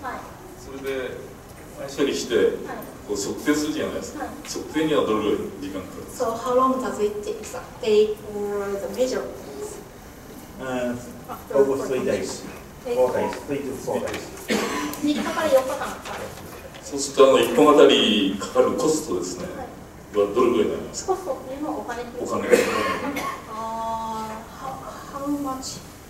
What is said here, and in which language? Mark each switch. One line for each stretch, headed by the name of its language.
Japanese: はい。それで、処理して、測定するじゃないですか。測定にはどれぐらい時間かかる。
English: So how long does it take for the measure?
Japanese: そうすると1本あたりかかるコストですね、はい、はどれくらいになりますか。コストっていうのはお金です。お金
English: How much?